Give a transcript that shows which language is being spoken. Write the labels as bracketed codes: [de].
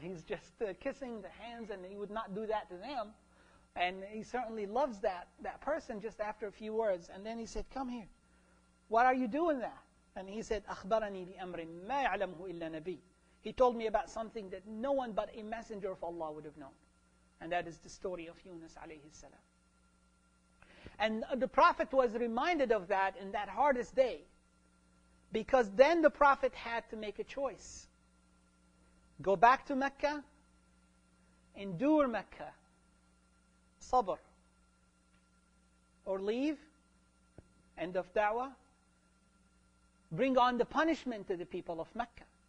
[en] He's just kissing the hands, and he would not do that to them. And he certainly loves that person just after a few words. And then he said, come here. What are you doing that? And he said, [ar] أخبرني بأمر ما يعلمه إلا نبي. [en] He told me about something that no one but a messenger of Allah would have known. And that is the story of Yunus alayhi salam. And the Prophet was reminded of that in that hardest day. Because then the Prophet had to make a choice. Go back to Mecca, endure Mecca, sabr, or leave, end of da'wah, bring on the punishment to the people of Mecca.